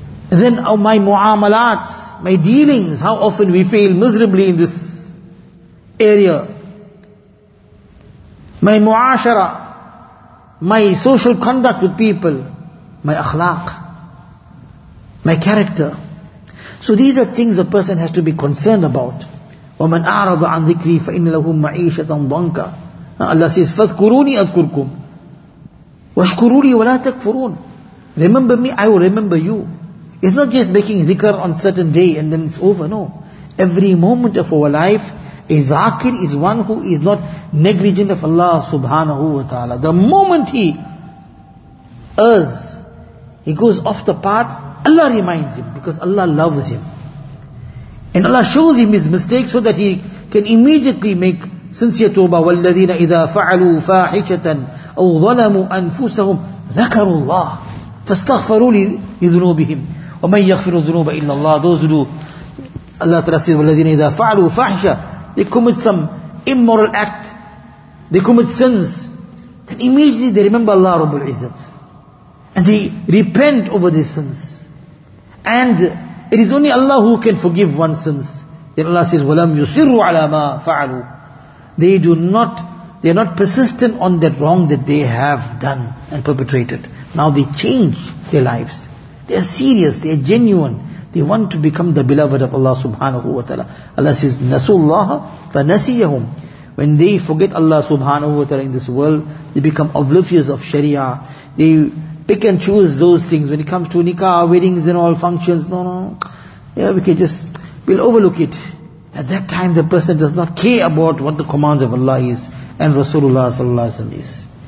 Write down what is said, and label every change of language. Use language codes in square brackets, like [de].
[en] And then, oh, my mu'amalat, my dealings, how often we fail miserably in this area. My mu'ashara, my social conduct with people, my akhlaq, my character. So these are things a person has to be concerned about. [ar] وَمَنْ أَعْرَضَ عَنْ ذِكْرِي فَإِنَّ لَهُمْ مَعِيشَةً ضَنْكًا. [en] Allah says, [ar] فَذْكُرُونِي أَذْكُرْكُمْ وَشْكُرُونِي وَلَا تَكْفُرُونَ. [en] Remember me, I will remember you. It's not just making dhikr on certain day and then it's over, no. Every moment of our life, a dhakir is one who is not negligent of Allah subhanahu wa ta'ala. The moment he errs, he goes off the path, Allah reminds him because Allah loves him. And Allah shows him his mistake so that he can immediately make sincere tawbah. [ar] وَالَّذِينَ إِذَا فَعَلُوا فَاحِشَةً أَوْ ظَلَمُوا أَنفُسَهُمْ ذَكَرُوا اللَّهِ فَاسْتَغْفَرُوا لِذُنُوبِهِمْ وَمَنْ يَغْفِرُ الذُّنُوبَ إِلَّا اللَّهِ. [en] Those who do, Allah Ta'ala says, [ar] وَالَّذِينَ إِذَا فَعَلُوا فَاحِشَةً, [en] they commit some immoral act, they commit sins, then immediately they remember Allah Rabbul Izzat. And they repent over their sins. And it is only Allah who can forgive one's sins. Then Allah says, [ar] وَلَمْ يُصِرُّ عَلَى مَا فَعَلُوا. [en] They are not persistent on that wrong that they have done and perpetrated. Now they change their lives. They are serious, they are genuine. They want to become the beloved of Allah subhanahu wa ta'ala. Allah says, [ar] نَسُوا اللَّهَ فَنَسِيَهُمْ. [en] When they forget Allah subhanahu wa ta'ala in this world, they become oblivious of sharia. They pick and choose those things when it comes to nikah, weddings and all functions. No, no, yeah, we'll overlook it. At that time, the person does not care about what the commands of Allah is and Rasulullah sallallahu alaihi wasallam is.